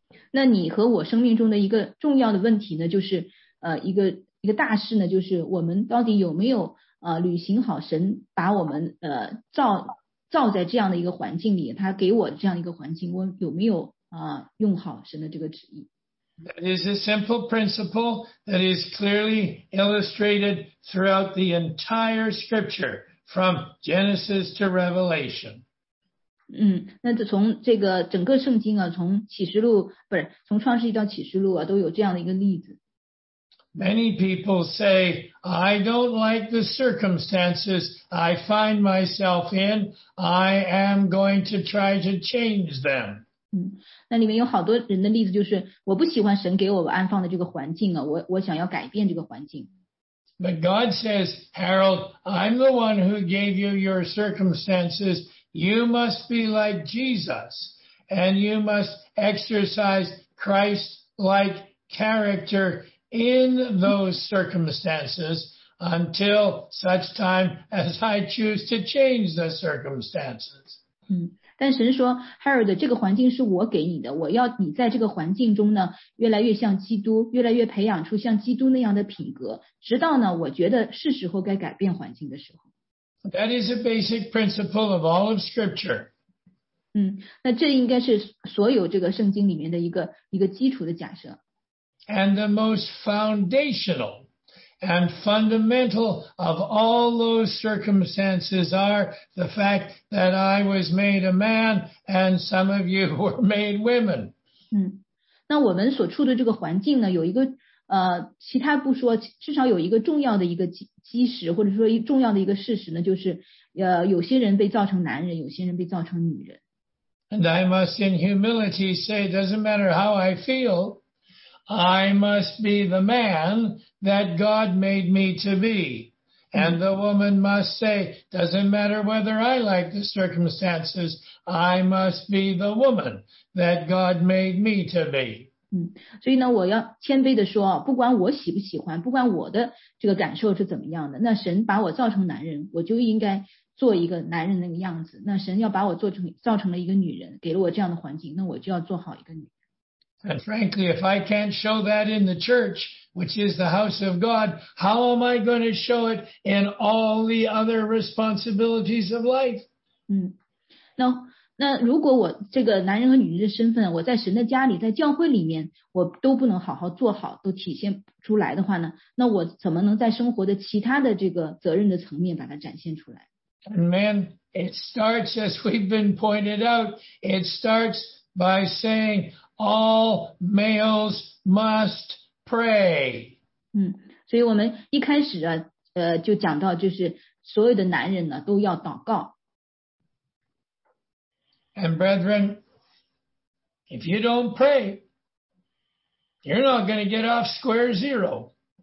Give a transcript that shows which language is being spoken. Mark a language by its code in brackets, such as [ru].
[zh] 那你和我生命中的一个重要的问题呢，就是一个大事呢，就是我们到底有没有履行好神把我们造在这样的一个环境里，他给我这样一个环境，我有没有用好神的这个旨意。 [en] That is a simple principle that is clearly illustrated throughout the entire scripture from Genesis to Revelation. [zh] 那就从这个整个圣经啊，从启示录不是从创世纪到启示录啊，都有这样的一个例子。 [en] Many people say, I don't like the circumstances I find myself in. I am going to try to change them. [zh] 那里面有好多人的例子就是，我不喜欢神给我安放的这个环境啊，我想要改变这个环境。 [en] But God says, Harold, I'm the one who gave you your circumstances. You must be like Jesus, and you must exercise Christ-like character in those circumstances until such time as I choose to change the circumstances. [zh] 但神说 ,Harold, 这个环境是我给你的，我要你在这个环境中呢越来越像基督，越来越培养出像基督那样的品格，直到呢我觉得是时候该改变环境的时候。 [en] That is a basic principle of all of scripture. [zh] 那这应该是所有这个圣经里面的一个基础的假设。 [en] And the most foundational and fundamental of all those circumstances are the fact that I was made a man and some of you were made women. [zh] 那我们所处的这个环境呢，有一个其他不说，至少有一个重要的一个基石，或者说一重要的一个事实呢，就是有些人被造成男人，有些人被造成女人。 [en] And I must in humility say, it doesn't matter how I feel,I must be the man that God made me to be. And the woman must say, doesn't matter whether I like the circumstances, I must be the woman that God made me to be. [zh] 所以呢我要谦卑地说，不管我喜不喜欢，不管我的这个感受是怎么样的，那神把我造成男人，我就应该做一个男人那个样子。那神要把我造成了一个女人，给了我这样的环境，那我就要做好一个女人。 [en] And frankly, if I can't show that in the church, which is the house of God, how am I going to show it in all the other responsibilities of life? [zh] 那如果我这个男人和女人的身份，我在神的家里，在教会里面，我都不能好好做好，都体现出来的话呢，那我怎么能在生活的其他的这个责任的层面把它展现出来？ [en] And man, it starts, as we've been pointed out, it starts by saying,All males must pray. [zh] 所以我们一开始啊，就讲到就是所有的男人呢都要祷告。 [en] And brethren, if you don't pray, you're not going to get off square zero.